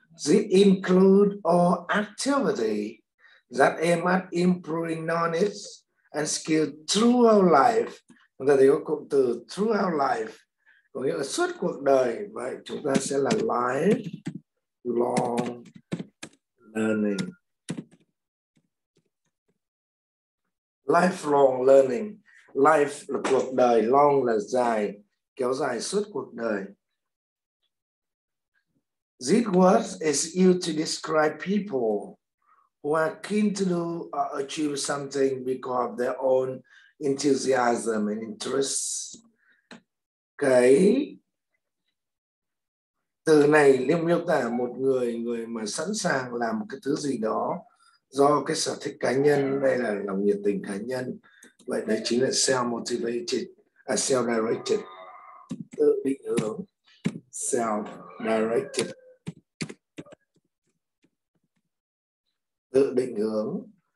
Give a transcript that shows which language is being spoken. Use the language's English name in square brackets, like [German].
[English] This include all activity that aim at improving knowledge and skill throughout life. [Vietnamese] Chúng ta thấy có cụm từ throughout life. Có nghĩa là suốt cuộc đời. Vậy chúng ta sẽ là life long learning. Lifelong learning. Life là cuộc đời, long là dài, kéo dài suốt cuộc đời. [English] This word is used to describe people who are keen to do or achieve something because of their own enthusiasm and interest. [Vietnamese] Cái từ này liên miêu tả một người, người mà sẵn sàng làm cái thứ gì đó do cái sở thích cá nhân, đây là lòng nhiệt tình cá nhân. Vậy đấy chính là self-motivated, self-directed, tự định hướng, self-directed, tự định hướng.